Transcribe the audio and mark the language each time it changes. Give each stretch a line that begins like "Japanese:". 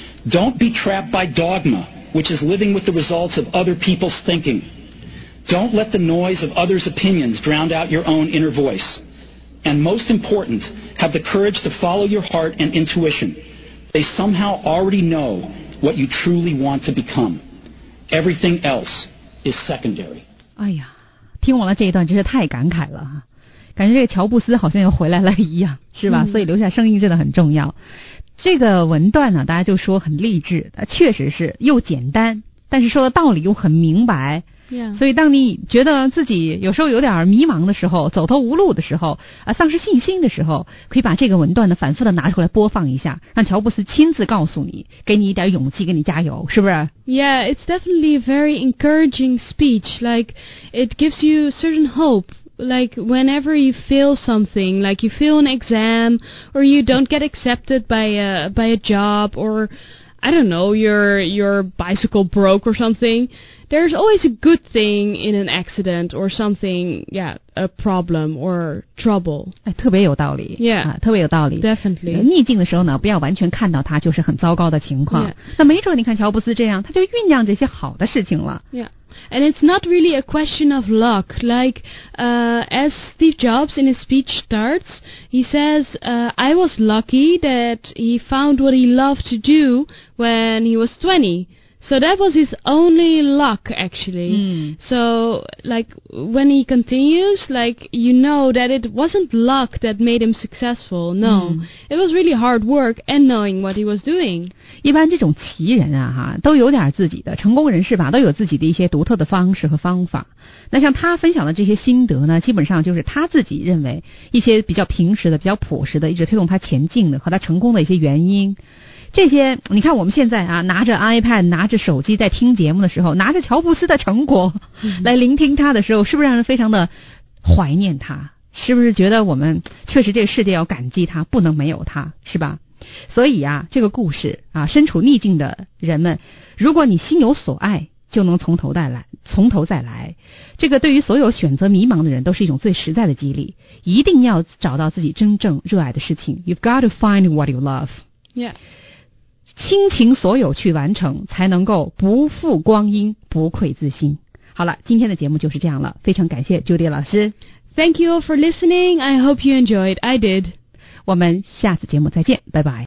English: Don't be trapped by dogma, which is living with the results of other people's thinking. Don't let the noise of others' opinions drown out your own inner voice. And most important, have the courage to follow your heart and intuition. They somehow already know what you truly want to become. Everything else is secondary.
Chinese: 哎呀，听完了这一段真是太感慨了，感觉这个乔布斯好像又回来了一样，是吧？所以留下声音真的很重要。这个文段呢，大家就说很励志，确实是又简单，但是说的道理又很明白。所以当你觉得自己有时候有点迷茫的时候，走投无路的时候，丧失信心的时候，可以把这个文段呢反复的拿出来播放一下，让乔布斯亲自告诉你，给你一点勇气，给你加油，是不是？
English: Yeah, it's definitely a very encouraging speech. Like, it gives you certain hope. Like, whenever you feel something, like you feel an exam, or you don't get accepted by a job, or... I don't know, your bicycle broke or something. There's always a good thing in an accident or something, a problem or trouble.
Chinese: 哎，特别有道理。
English: Yeah,
Chinese: 特别有道理。
English: Definitely.
Chinese: 逆境的时候呢，不要完全看到它就是很糟糕的情况。
English: Yeah.
Chinese: 那没准你看乔布斯这样，他就酝酿这些好的事情了。
English: Yeah. And it's not really a question of luck. Like, as Steve Jobs in his speech starts, he says, I was lucky that he found what he loved to do when he was 20. So that was his only luck, actually. Mm. So, like, when he continues, like, you know that it wasn't luck that made him successful. No, it was really hard work and knowing what he was doing.
Chinese: 一般这种奇人啊，哈，都有点自己的，成功人士吧，都有自己的一些独特的方式和方法。那像他分享的这些心得呢，基本上就是他自己认为一些比较平时的、比较朴实的，一直推动他前进的和他成功的一些原因。这些你看我们现在啊，拿着 iPad 拿着手机在听节目的时候，拿着乔布斯的成果来聆听他的时候，是不是让人非常的怀念他？是不是觉得我们确实这个世界要感激他，不能没有他，是吧？所以啊，这个故事啊，身处逆境的人们，如果你心有所爱，就能从头再来，从头再来。这个对于所有选择迷茫的人都是一种最实在的激励，一定要找到自己真正热爱的事情。
English: You've got to find what you love. Yeah.
Chinese: 倾情所有去完成，才能够不负光阴，不愧自心。好了，今天的节目就是这样了，非常感谢 Judy 老师。
English: Thank you all for listening. I hope you enjoyed. I did.
Chinese: 我们下次节目再见，拜拜。